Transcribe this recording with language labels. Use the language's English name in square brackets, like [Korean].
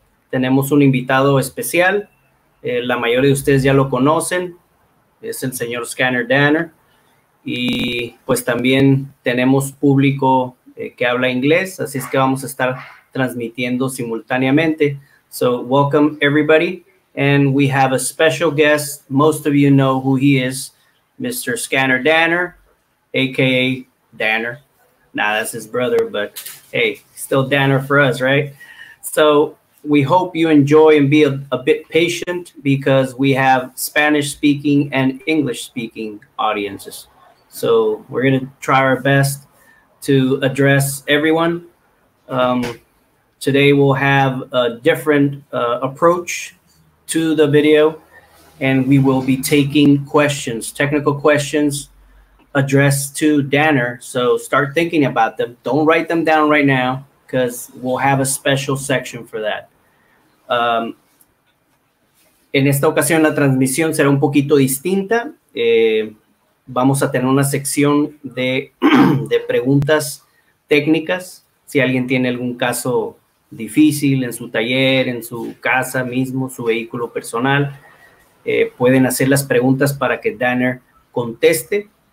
[Spanish] Tenemos un invitado especial. La mayoría de ustedes ya lo conocen. Es el señor Scanner Danner. Y pues también tenemos público que habla inglés, así es que vamos a estar transmitiendo simultáneamente. [English] So, welcome everybody. And we have a special guest. Most of you know who he is, Mr. Scanner Danner, aka Danner. Nah, that's his brother, but hey, still Danner for us, right? So we hope you enjoy and be a bit patient because we have Spanish speaking and English speaking audiences. So we're going to try our best to address everyone. Today we'll have a different approach to the video, and we will be taking questions, technical questions addressed to Danner. So start thinking about them. Don't write them down right now because we'll have a special section for that. [Spanish] En esta ocasión, la transmisión será un poquito distinta. Vamos a tener una sección de preguntas técnicas. Si alguien tiene algún caso difícil en su taller, en su casa mismo, su vehículo personal, pueden hacer las preguntas para que Danner conteste.